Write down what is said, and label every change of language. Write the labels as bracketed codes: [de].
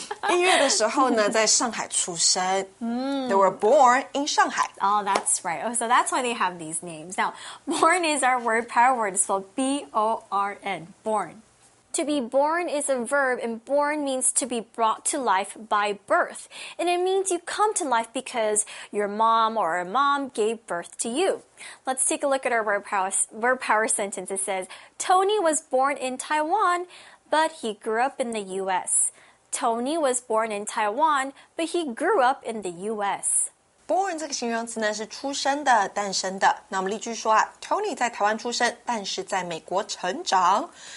[zh] 音乐的时候呢，在上海出生。 [en] They were born in Shanghai. Oh, that's right. Oh, so that's why they have these names. Now, born is our word, power word, so B-O-R-N, born. To be born is a verb, and born means to be brought to life by birth. And it means you come to life because your mom or a mom gave birth to you. Let's take a look at our word power sentence. It says, Tony was born in Taiwan, but he grew up in the U.S. Tony was born in Taiwan, but he grew up in the U.S. [zh] Born 这个形容词呢是出生的、诞生的。那我们例句说啊 ，Tony 在台湾出生，但是在美国成长。